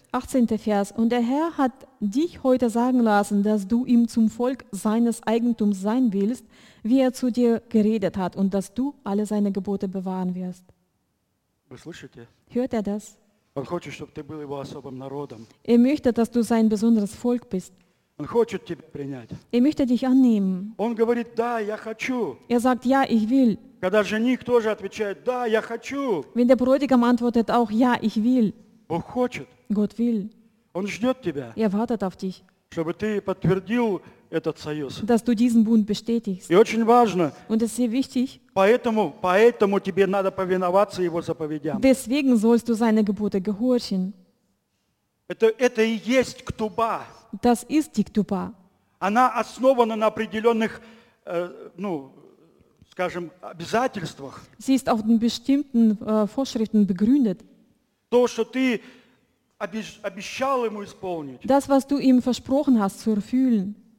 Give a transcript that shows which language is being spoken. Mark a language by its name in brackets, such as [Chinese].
[German] 18. Vers. Und der Herr hat dich heute sagen lassen, dass du ihm zum Volk seines Eigentums sein willst, wie er zu dir geredet hat, und dass du alle seine Gebote bewahren wirst. [Russian] Вы слышите? [German] Hört er das? [Russian] Он хочет, чтобы ты был Его особым народом. [German] Er möchte, dass du sein besonderes Volk bist. [Russian] Он хочет тебя принять. [German] Er möchte dich annehmen. [Russian] Он говорит, да, я хочу. [German] Er sagt, ja, ich will. [Russian] Когда жених тоже отвечает, да, я хочу. [German] Wenn der Bräutigam antwortet, auch ja, ich will. [Russian] Бог хочет. [German] Gott will. [Russian] Он ждет тебя. [German] Er wartet auf dich. [Russian] чтобы ты подтвердил этот союз. [German] Dass du diesen Bund bestätigst. [Russian] И очень важно. [German] Und es ist sehr wichtig. [Russian] Поэтому тебе надо повиноваться его заповедям. [German] Deswegen sollst du seine Gebote gehorchen. [Russian] Это и есть ктуба. [German] Das ist die Ктуба. [Russian] Она основана на определенных, ну, скажем, обязательствах. [German] Sie ist auf den bestimmten Vorschriften begründet. [Russian] То, что ты обещал ему исполнить. [German] Das, was du ihm versprochen hast, zu erfüllen.